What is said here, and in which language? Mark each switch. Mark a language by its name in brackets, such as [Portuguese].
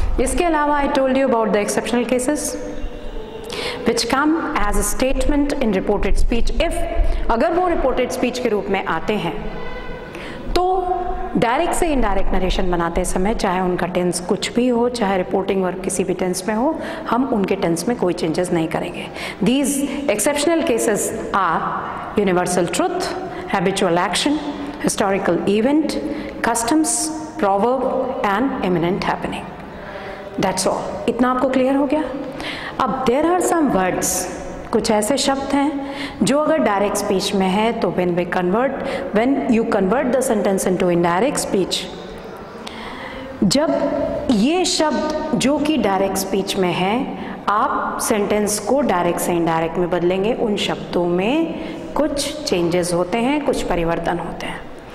[Hindi] इसके अलावा [English] I told you about the exceptional cases which come as a statement in reported speech. [Hindi] If अगर वो reported speech के रूप में आते हैं तो direct से indirect narration बनाते समय चाहे उनका tense कुछ भी हो, चाहे reporting verb किसी भी tense में हो, हम उनके tense में कोई changes नहीं करेंगे. [English] These exceptional cases are universal truth, habitual action, historical event, customs, proverb and imminent happening. That's all. [Hindi] इतना आपको clear हो गया? [English] अब there are some words, [Hindi] कुछ ऐसे शब्द हैं जो अगर डायरेक्ट स्पीच में है तो [English] when you convert the sentence into indirect speech, [Hindi] जब ये शब्द जो कि डायरेक्ट स्पीच में है आप सेंटेंस को डायरेक्ट से इनडायरेक्ट में बदलेंगे, उन शब्दों में कुछ चेंजेस होते हैं, कुछ परिवर्तन होते हैं.